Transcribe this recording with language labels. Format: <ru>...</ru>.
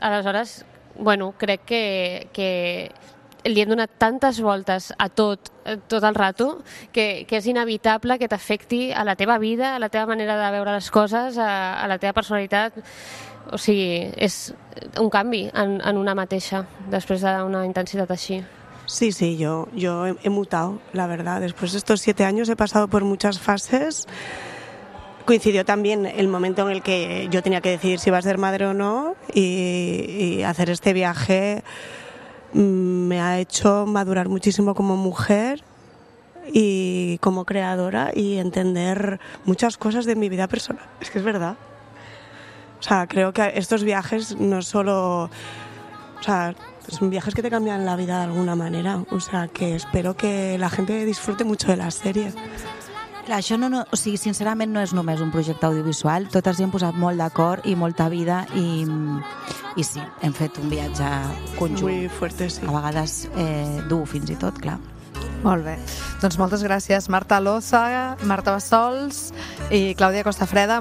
<ca>Aleshores, bueno, crec que li hem donat tantes voltes a tot el rato, que és inevitable que t'afecti a la teva vida, a la teva manera de veure les coses, a la teva personalitat. O sigui, és un canvi en una mateixa, després d'una intensitat així.</ca> <es>Sí, sí, jo he mutado, la verdad. Después de estos 7 años he pasado por muchas fases. Coincidió también el momento en el que yo tenía que decidir si iba a ser madre o no, y hacer este viaje me ha hecho madurar muchísimo como mujer y como creadora y entender muchas cosas de mi vida personal. Es que es verdad. O sea, creo que estos viajes no solo... O sea, son viajes que te cambian la vida de alguna manera. O sea, que espero que la gente disfrute mucho de la serie.</es> <ca>Clar, això no, o sigui, sincerament no és només un projecte audiovisual, totes hi hem posat molt d'acord i molta vida, i sí, hem fet un viatge conjunt.</ca> <es>Muy fuerte, sí.</es> <ca>A vegades dur, fins i tot, clar. Molt bé. Doncs moltes gràcies, Marta Loza, Marta Bassols i Clàudia Costafreda.</ca>